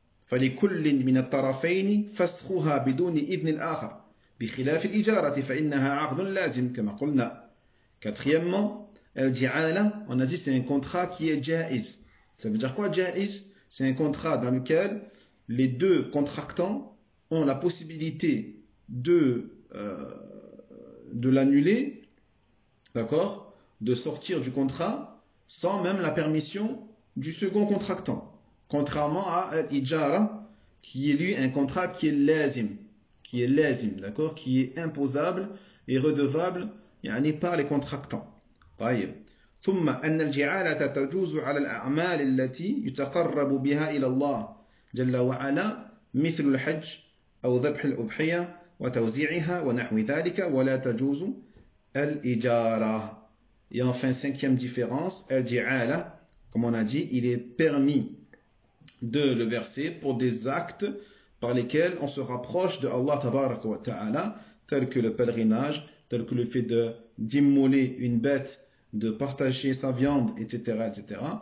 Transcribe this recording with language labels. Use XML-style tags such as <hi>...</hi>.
<ar>فلكل من الطرفين فسخها بدون إذن الآخر بخلاف الإجارة فإنها عقد لازم كما قلنا.</ar> <fr>Quatrièmement, الجعالة, on a dit c'est un contrat qui est جائز. Ça veut dire quoi جائز? C'est un contrat dans lequel les deux contractants ont la possibilité de l'annuler, d'accord, de sortir du contrat sans même la permission du second contractant. Contrairement à l'ijara, qui est lui un contrat qui est lazim, d'accord, qui est imposable et redevable, yani par les contractants.</fr> <ar>طيب. ثم أن الجعالة تجوز على الأعمال التي يتقرب بها إلى الله جل وعلا مثل الحج أو ذبح الأضحية وتوزيعها ونحو ذلك ولا تجوز الإجارة.</ar> <fr>Et enfin, cinquième différence, الجعالة, comme on a dit, il est permis de le verser pour des actes par lesquels on se rapproche de Allah tabaraka wa ta'ala, tel que le pèlerinage, tel que le fait de d'immoler une bête, de partager sa viande, etc. etc.</fr>